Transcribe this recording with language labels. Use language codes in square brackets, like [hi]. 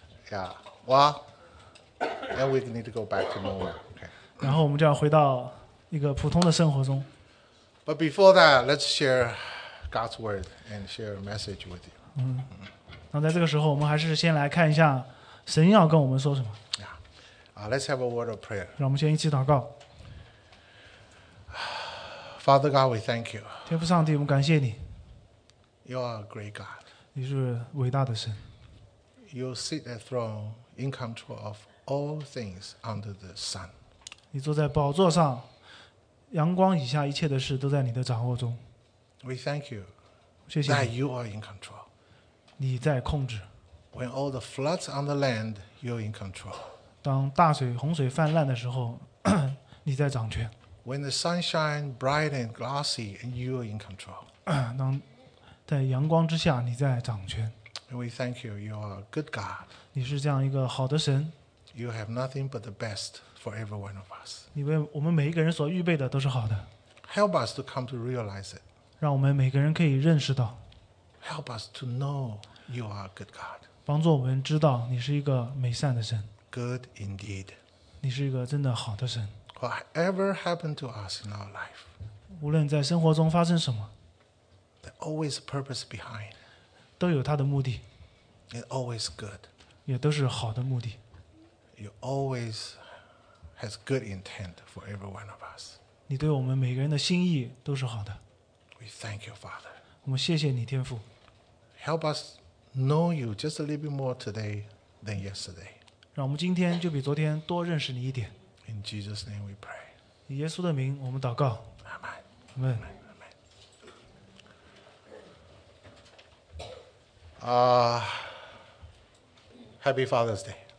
[en] Yeah, well, and we need to go back to normal. Okay. [zh] 然后我们就要回到一个普通的生活中。 [en] But before that, let's share. God's word and share a message with you. [zh] 嗯，那在这个时候，我们还是先来看一下神要跟我们说什么。 [en] Yeah. Let's have a word of prayer. [zh] 让我们先一起祷告。 [en] Father God, we thank you. [zh] 天父上帝，我们感谢你。 [en] You are a great God. [zh] 你是伟大的神。 [en] You sit at throne in control of all things under the sun. [zh] 你坐在宝座上，阳光以下一切的事都在你的掌握中。 [en] We thank you [zh] 谢谢 [en] that you are in control. [zh] 你在控制。 [en] When all the floods on the land, you're in control. [zh] 当大水洪水泛滥的时候，你在掌权。 [en] When the sunshine bright and glossy, and you're in control. [zh] 当在阳光之下，你在掌权。 [en] We thank you. You are a good God. [zh] 你是这样一个好的神。 [en] You have nothing but the best for every one of us. [zh] 你为我们每一个人所预备的都是好的。 [en] Help us to come to realize it. [zh] 让我们每个人可以认识到。 [en] Help us to know you are a good God. [zh] 帮助我们知道你是一个美善的神。 [en] Good indeed. [zh] 你是一个真的好的神。 [en] Whatever happened to us in our life, [zh] 无论在生活中发生什么， [en] There's always a purpose behind. [zh] 都有它的目的。 [en] It's always good. [zh] 也都是好的目的。 [en] You always has good intent for every one of us. [zh] 你对我们每个人的心意都是好的。 [en] We thank you, Father. [zh] 我们谢谢你，天父。 [en] Help us know you just a little bit more today than yesterday. [zh] 让我们今天就比昨天多认识你一点。 [en] In Jesus' name we pray. [zh] 以耶稣的名我们祷告。 [en] Amen. Amen. Amen. Happy Father's Day.